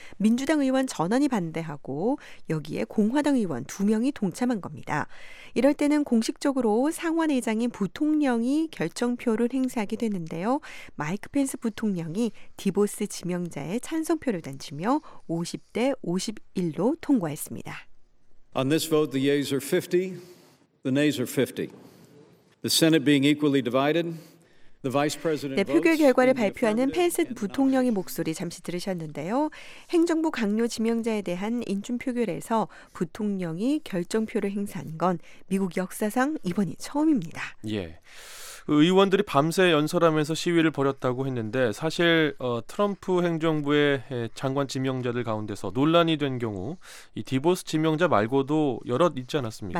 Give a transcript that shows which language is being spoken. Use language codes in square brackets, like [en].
[ko] 민주당 의원 전원이 반대하고 여기에 공화당 의원 두 명이 동참한 겁니다. 이럴 때는 공식적으로 상원의장인 부통령이 결정표를 행사하게 되는데요. 마이크 펜스 부통령이 디보스 지명자의 찬성표를 던지며 50대 51로 통과했습니다. [en] On this vote, the yeas are 50, the nays are 50. The Senate being equally divided, the vice president. [ko] 네, 표결 결과를 발표하는 펜스 부통령의 목소리 잠시 들으셨는데요. 행정부 강요 지명자에 대한 인준 표결에서 부통령이 결정표를 행사한 건 미국 역사상 이번이 처음입니다. 예. 의원들이 밤새 연설하면서 시위를 벌였다고 했는데 사실 트럼프 행정부의 장관 지명자들 가운데서 논란이 된 경우 이 디보스 지명자 말고도 여럿 있지 않았습니까?